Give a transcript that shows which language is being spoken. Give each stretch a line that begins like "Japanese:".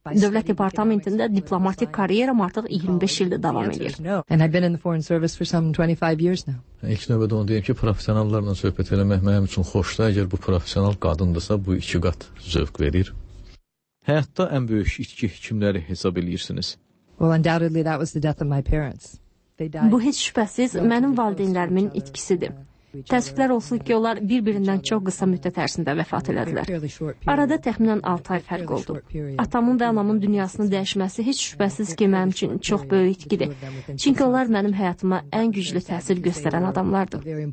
Azerbaijani: Dövlət Departamentində diplomatik kariyeram artıq 25 ildir davam edir. İlk növbədə onu deyim ki, profesionallarla söhbət eləmək mənim üçün xoşdur. Əgər bu profesional qadındırsa, bu iki qat zövq verir. Həyatda ən böyük itki kimləri hesab edirsiniz?
English: Well, undoubtedly that was the death of my parents.
Azerbaijani: Bu heç şübhəsiz mənim valideynlərimin itkisidir. Təəssüflər olsun ki, onlar bir-birindən çox qısa müddət ərzində vəfat elədilər. Arada təxminən 6 ay fərq oldu. Atamın və anamın dünyasını dəyişməsi heç şübhəsiz ki, mənim üçün çox böyük itkidir. Çünki onlar mənim həyatıma ən güclü təsir göstərən adamlardır.